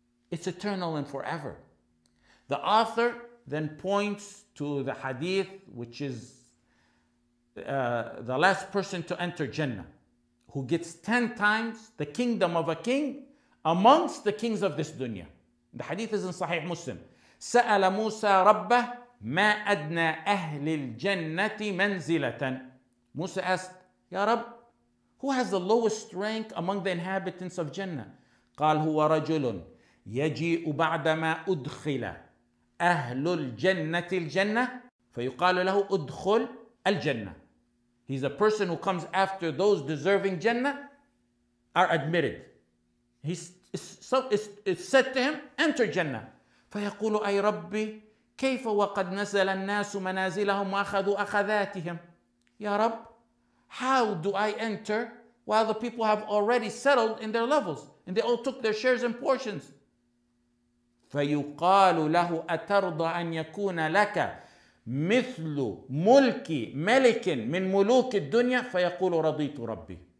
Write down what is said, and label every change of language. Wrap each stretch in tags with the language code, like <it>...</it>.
<en>It's eternal and forever. The author then points to the hadith, which is the last person to enter Jannah, who gets 10 times the kingdom of a king amongst the kings of this dunya. The hadith is in Sahih Muslim.</en> <ar>سَأَلَ مُوسَى رَبَّهُ مَا أَدْنَى أَهْلِ الْجَنَّةِ مَنْزِلَةً.</ar> <en>Musa asked, Ya Rab, who has the lowest rank among the inhabitants of Jannah?</en> <ar>قال هو رجل يجيء بعدما أدخل أهل الجنة الجنة فيقال له أدخل الجنة.</ar> <en>He's a person who comes after those deserving Jannah are admitted. It's said to him, enter Jannah.</en> <ar>فيقول أي ربي كيف وقد نزل الناس منازلهم وأخذوا أخذاتهم.</ar> <en>Ya Rab, how do I enter while the people have already settled in their levels and they all took their shares and portions?</en> <ar>فَيُقَالُ لَهُ أَتَرْضَ أَنْ يَكُونَ لَكَ مِثْلُ مُلْكِ مَلِكٍ مِنْ مُلُوكِ الدُّنْيَا فَيَقُولُ رَضِيتُ رَبِّي.</ar>